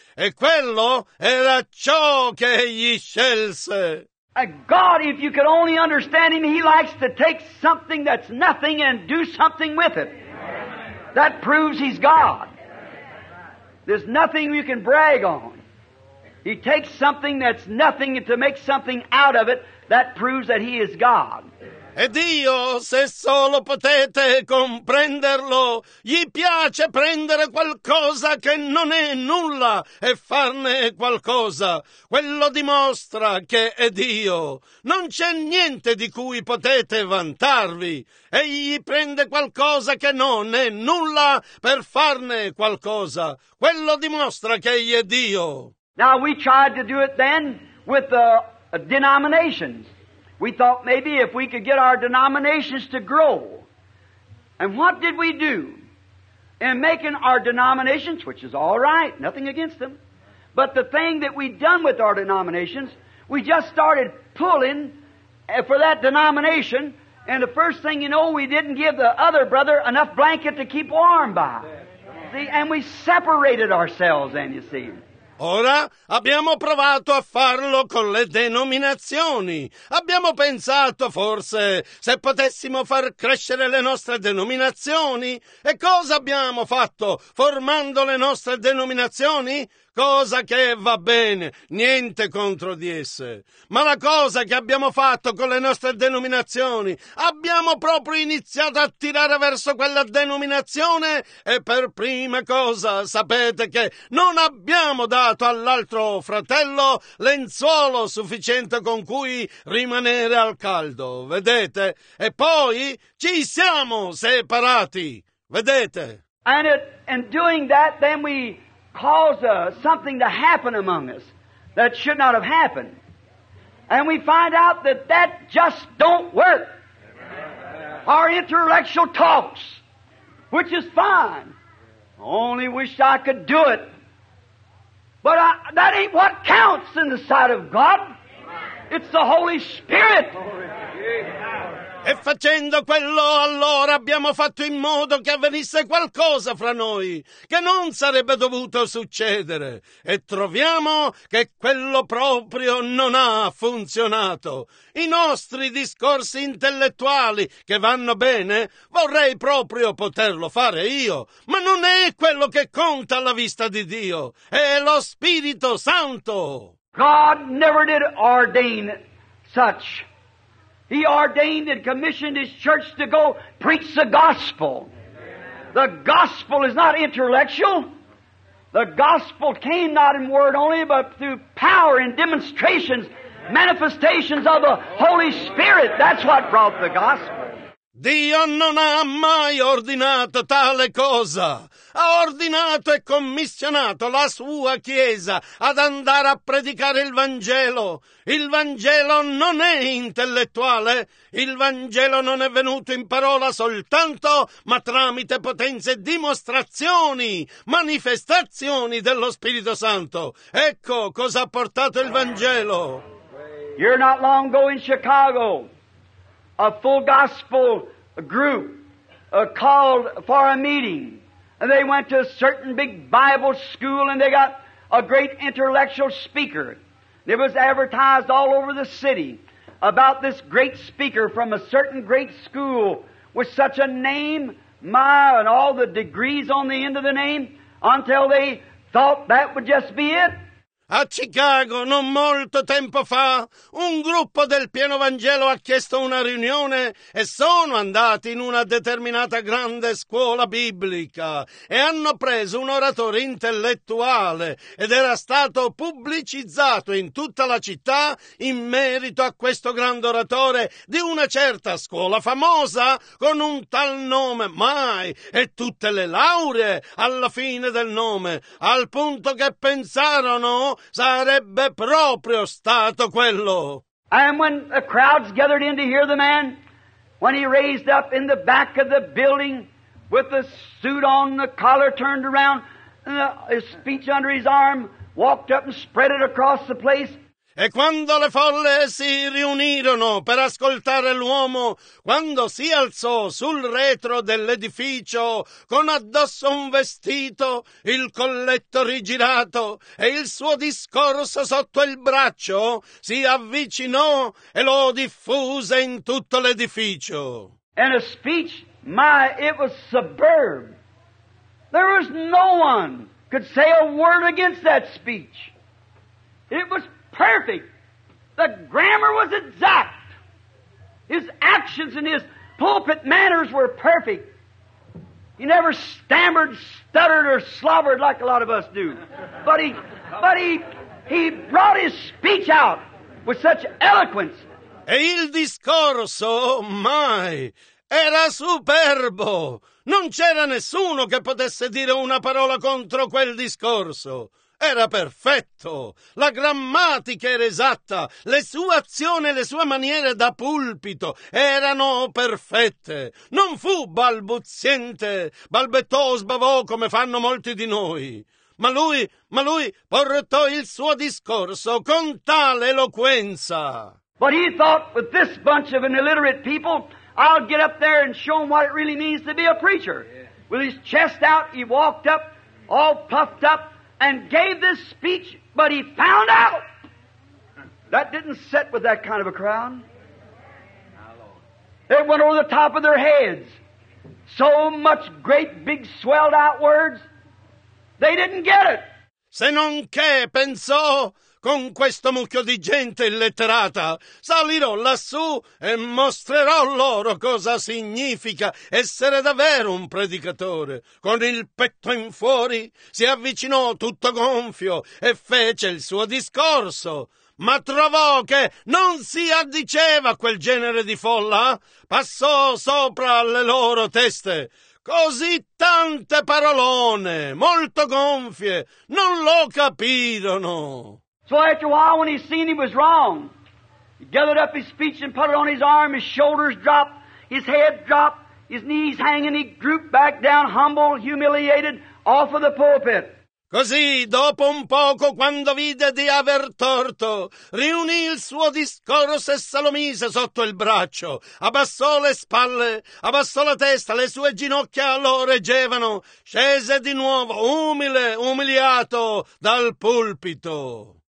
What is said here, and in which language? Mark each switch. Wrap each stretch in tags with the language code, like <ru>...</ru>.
<it>E quello era ciò che egli scelse.</it> <en>A God, if you could only understand him, he likes to take something that's nothing and do something with it. That proves he's God. There's nothing you can brag on. He takes something that's nothing and to make something out of it, that proves that he is God.</en> <it>E Dio, se solo potete comprenderlo, gli piace prendere qualcosa che non è nulla e farne qualcosa. Quello dimostra che è Dio. Non c'è niente di cui potete vantarvi. Egli prende qualcosa che non è nulla per farne qualcosa. Quello dimostra che egli è Dio.</it> <en>Now we tried to do it then with the denominations. We thought maybe if we could get our denominations to grow. And what did we do? In making our denominations, which is all right, nothing against them, but the thing that we'd done with our denominations, we just started pulling for that denomination, and the first thing you know, we didn't give the other brother enough blanket to keep warm by. See, and we separated ourselves then, you see.</en> <it>Ora abbiamo provato a farlo con le denominazioni. Abbiamo pensato forse se potessimo far crescere le nostre denominazioni. E cosa abbiamo fatto formando le nostre denominazioni? Cosa che va bene, niente contro di esse. Ma la cosa che abbiamo fatto con le nostre denominazioni, abbiamo proprio iniziato a tirare verso quella denominazione e per prima cosa sapete che non abbiamo dato all'altro fratello lenzuolo sufficiente con cui rimanere al caldo, vedete? E poi ci siamo separati, vedete?</it> <en>And doing that, then we... caused something to happen among us that should not have happened. And we find out that that just don't work. Amen. Our intellectual talks, which is fine. Only wish I could do it. But that ain't what counts in the sight of God. Amen. It's the Holy Spirit.</en> <it>E facendo quello allora abbiamo fatto in modo che avvenisse qualcosa fra noi che non sarebbe dovuto succedere. E troviamo che quello proprio non ha funzionato. I nostri discorsi intellettuali che vanno bene, vorrei proprio poterlo fare io. Ma non è quello che conta alla vista di Dio. È lo Spirito Santo.</it> <en>God never did ordain such. He ordained and commissioned his church to go preach the gospel. The gospel is not intellectual. The gospel came not in word only, but through power and demonstrations, manifestations of the Holy Spirit. That's what brought the gospel.</en> <it>Dio non ha mai ordinato tale cosa. Ha ordinato e commissionato la sua Chiesa ad andare a predicare il Vangelo. Il Vangelo non è intellettuale. Il Vangelo non è venuto in parola soltanto, ma tramite potenze e dimostrazioni, manifestazioni dello Spirito Santo. Ecco cosa ha portato il Vangelo.</it> <en>You're not long ago in Chicago. A full gospel group called for a meeting. And they went to a certain big Bible school and they got a great intellectual speaker. It was advertised all over the city about this great speaker from a certain great school with such a name, my, and all the degrees on the end of the name, until they thought that would just be it.</en> <it>A Chicago, non molto tempo fa, un gruppo del pieno Vangelo ha chiesto una riunione e sono andati in una determinata grande scuola biblica e hanno preso un oratore intellettuale ed era stato pubblicizzato in tutta la città in merito a questo grande oratore di una certa scuola famosa con un tal nome, mai, e tutte le lauree alla fine del nome, al punto che pensarono sarebbe proprio stato quello.</it> <en>And when the crowds gathered in to hear the man, when he raised up in the back of the building with the suit on, the collar turned around, and his speech under his arm, walked up and spread it across the place.</en> <it>E quando le folle si riunirono per ascoltare l'uomo, quando si alzò sul retro dell'edificio con addosso un vestito, il colletto rigirato e il suo discorso sotto il braccio, si avvicinò e lo diffuse in tutto l'edificio.</it> <en>And a speech, my, it was superb. There was no one could say a word against that speech. It was perfect. The grammar was exact. His actions and his pulpit manners were perfect. He never stammered, stuttered, or slobbered like a lot of us do. But he brought his speech out with such eloquence.</en> <it>E il discorso, mai, era superbo. Non c'era nessuno che potesse dire una parola contro quel discorso. Era perfetto, la grammatica era esatta, le sue azioni e le sue maniere da pulpito erano perfette. Non fu balbuziente, balbettò o sbavò come fanno molti di noi. Ma lui portò il suo discorso con tale eloquenza.</it> <en>But he thought, with this bunch of an illiterate people, I'll get up there and show them what it really means to be a preacher. Yeah. With his chest out, he walked up, all puffed up, and gave this speech, but he found out that didn't set with that kind of a crowd. It went over the top of their heads. So much great big swelled out words, they didn't get it.</en> <it>Se non che, pensò, con questo mucchio di gente illetterata, salirò lassù e mostrerò loro cosa significa essere davvero un predicatore. Con il petto in fuori, si avvicinò tutto gonfio e fece il suo discorso. Ma trovò che non si addiceva a quel genere di folla. Passò sopra le loro teste. Così tante parolone, molto gonfie, non lo capirono.</it> <en>So after a while, when he seen he was wrong, he gathered up his speech and put it on his arm, his shoulders dropped, his head dropped, his knees hanging, he drooped back down, humble, humiliated, off of the pulpit.</en> <it>Così, dopo un poco, quando vide di aver torto, riunì il suo discorso e se lo mise sotto il braccio. Abbassò le spalle, abbassò la testa, le sue ginocchia lo reggevano. Scese di nuovo, umile, umiliato, dal pulpito.</it>